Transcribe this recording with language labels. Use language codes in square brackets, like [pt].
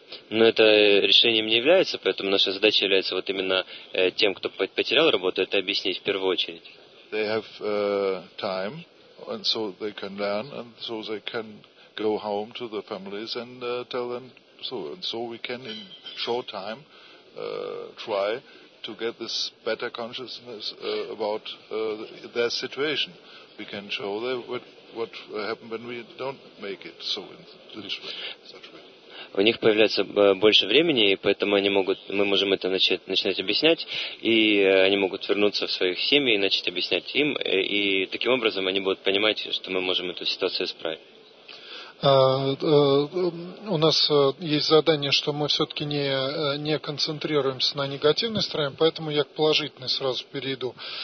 [ru] Но это решением не является, поэтому наша задача является вот именно тем, кто потерял работу, это объяснить в первую очередь. [en] They have time, and so they can learn, and so they can go home to their families and tell them. So we can in short time try to get this better consciousness about their situation. We can show them what happened when we don't make it so in this way, such way. [ru] У них появляется больше времени, и поэтому они могут, мы можем это начинать объяснять, и они могут вернуться в своих семьи и начать объяснять им, и таким образом они будут понимать, что мы можем эту ситуацию исправить. У нас есть задание, что мы все-таки не концентрируемся на негативной стороне, поэтому я к положительной сразу перейду.